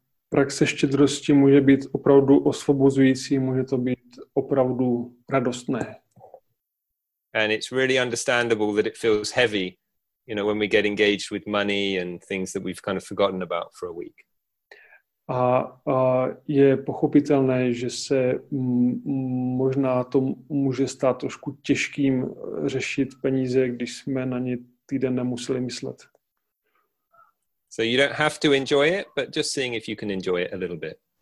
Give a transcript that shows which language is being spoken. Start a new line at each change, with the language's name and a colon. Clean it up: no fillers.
Czech: Praxe štědrosti může být opravdu osvobozující, může to být opravdu radostné.
English: And it's really understandable that it feels heavy, you know, when we get engaged with money and things that we've kind of forgotten about for a week.
Czech: A je pochopitelné, že se možná to může stát trošku těžkým řešit peníze, když jsme na ně týden nemuseli myslet.
English: So you don't have to enjoy it, but just seeing if you can enjoy it a little bit.